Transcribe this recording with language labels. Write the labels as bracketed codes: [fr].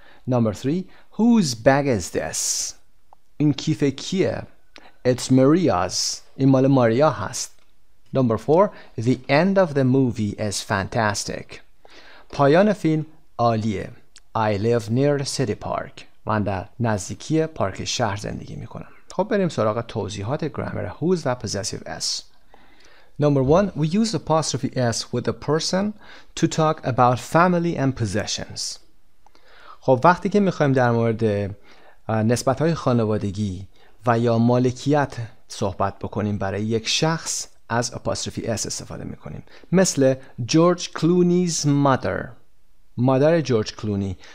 [en] Number three. Whose bag is this? [fa] این کیف کیه؟ [en] It's Maria's. [fa] این مال ماریا هست. [en] Number four. The end of the movie is fantastic. [fa] پایان فیلم عالیه. [en] I live near the city park. [fa] من در نزدیکی پارک شهر زندگی میکنم. خب بریم سراغ توضیحات گرامر whose و possessive s. [en] Number one, we use apostrophe s with a person to talk about family and possessions. [fa] خب وقتی که میخوایم در مورد نسبت‌های خانوادگی و یا مالکیت صحبت بکنیم برای یک شخص از apostrophe s استفاده میکنیم. مثل جورج کلونیز مادر، مادر جورج کلونی.